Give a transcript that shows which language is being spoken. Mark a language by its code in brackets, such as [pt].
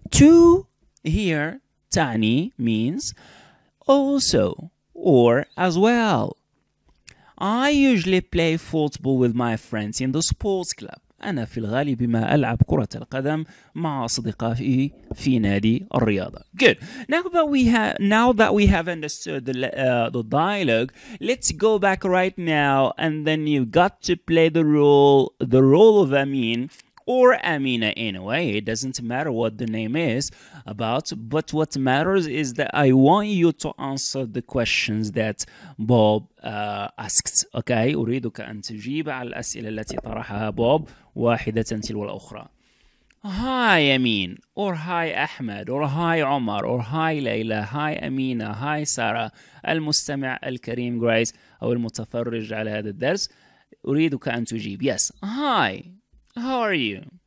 [en] Too here تعني means also or as well. I usually play football with my friends in the sports club. [ar] أنا في الغالب ما ألعب كرة القدم مع أصدقائي في نادي الرياضة. [en] Good. Now that we have understood the dialogue, let's go back right now and then you've got to play the role of Amin. Or Amina, anyway, it doesn't matter what the name is about, but what matters is that I want you to answer the questions that Bob asked, okay? [ar] أريدك أن تجيب على الأسئلة التي طرحها بوب واحدة تلو الأخرى. [en] Hi, Amin, or hi, Ahmed, or hi, Omar, or hi, Leila, hi, Amina, hi, Sarah, [ar] المستمع الكريم, [en] Grace, [ar] أو المتفرج على هذا الدرس, أريدك أن تجيب, [en] yes, hi. How are you?